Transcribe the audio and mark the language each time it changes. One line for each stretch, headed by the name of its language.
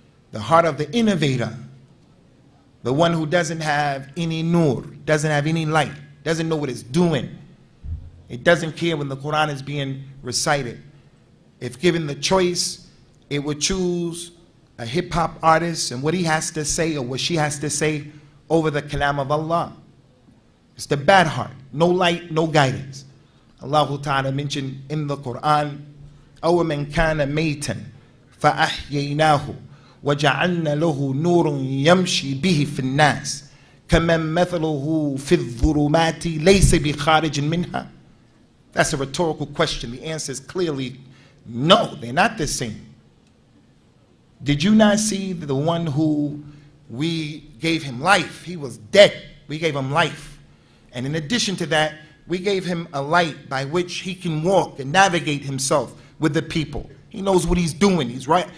English: The heart of the innovator. The one who doesn't have any nur, doesn't have any light, doesn't know what it's doing. It doesn't care when the Quran is being recited. If given the choice, it would choose a hip-hop artist and what he has to say or what she has to say over the kalam of Allah. It's the bad heart. No light, no guidance. Allah Ta'ala mentioned in the Quran,
Arabic: أَوَمَنْ كَانَ مَيْتًا فَأَحْيَيْنَاهُ وَجَعَلْنَا لَهُ نُورٌ يَمْشِي بِهِ فِي النَّاسِ كَمَنْ مَثَلُهُ فِي الظُّلُمَاتِ لَيْسَ بِخَارِجٍ مِنْهَا.
English: That's a rhetorical question. The answer is clearly no, they're not the same. Did you not see the one who we gave him life? He was dead. We gave him life. And in addition to that, we gave him a light by which he can walk and navigate himself with the people. He knows what he's doing. He's right.